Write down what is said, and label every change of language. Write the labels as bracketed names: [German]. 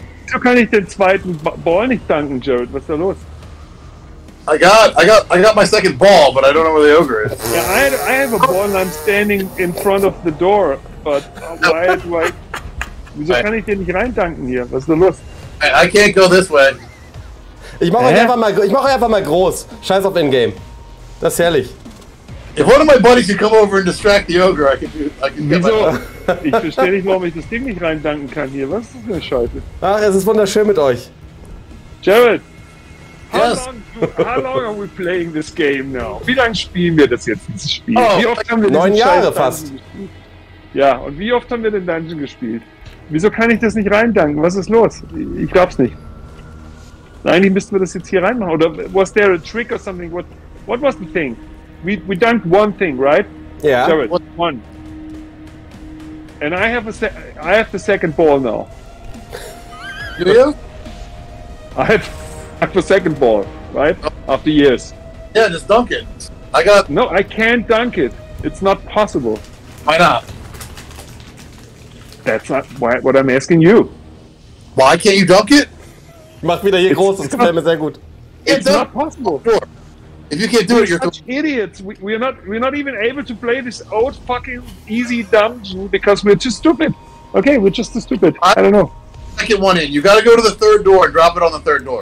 [German] So kann ich den zweiten Ball nicht danken, Jared. Was ist da los? [English] I got my second ball, but I don't know where the ogre is. Yeah, I have a ball and I'm standing in front of the door, but why? [German] Wieso kann ich den nicht rein danken hier? Was ist da los? [English] I can't go this way. [German] Ich mach euch einfach mal groß. Scheiß auf Ingame. Das ist herrlich. [English] If one of my buddies could come over and distract the ogre, I could get my... [German] Ich verstehe nicht, warum ich das Ding nicht reindanken kann hier. Was ist denn Scheiße? Ach, es ist wunderschön mit euch. Jared! [English] Yes. How long are we playing this game now? [German] Wie lange spielen wir das jetzt, dieses Spiel? Oh, wie oft haben wir 9 Jahre fast. Ja, und wie oft haben wir den Dungeon gespielt? Wieso kann ich das nicht reindanken? Was ist los? Ich glaub's nicht. Eigentlich müssten wir das jetzt hier reinmachen. Oder [English] was there a trick or something? What was the thing? We dunked one thing, right? Yeah. Jared, one. And I have the second ball now. Do you? I have the second ball, right? After years. Yeah, just dunk it. I got... No, I can't dunk it. It's not possible. Why not? That's not what I'm asking you. Why can't you dunk it? [German] Mach wieder hier groß, das gefällt mir sehr gut. [English] It's not possible. Sure. If you can't do we're it, you're such idiots. We're not even able to play this old fucking easy dungeon because we're too stupid. Okay, we're just too stupid. I don't know. Second one in. You gotta go to the third door and drop it on the third door.